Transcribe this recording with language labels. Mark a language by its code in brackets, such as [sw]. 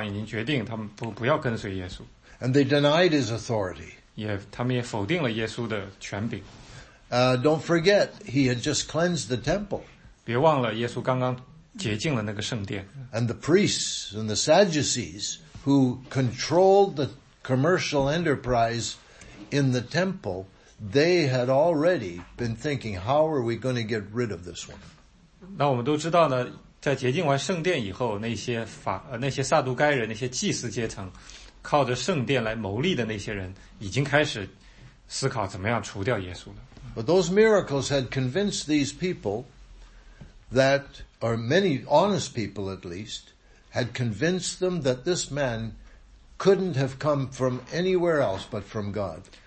[zh] 因为有些当时的犹太人的官已经决定他们不要跟随耶稣。 [en] And they denied his authority. [zh] 他们也否定了耶稣的权柄。 [en] Don't forget, he had just cleansed the temple. [zh] 别忘了耶稣刚刚洁净了那个圣殿。 [en] And the priests and the Sadducees who controlled the commercial enterprise in the temple, they had already been thinking, how are we going to get rid of this one? [zh] 那我们都知道呢，在洁净完圣殿以后，那些撒都该人、那些祭司阶层，靠着圣殿来谋利的那些人，已经开始思考怎么样除掉耶稣了。 [en] But those miracles had convinced these people that, or many honest people at least, had convinced them that this man couldn't have come from anywhere else but from God.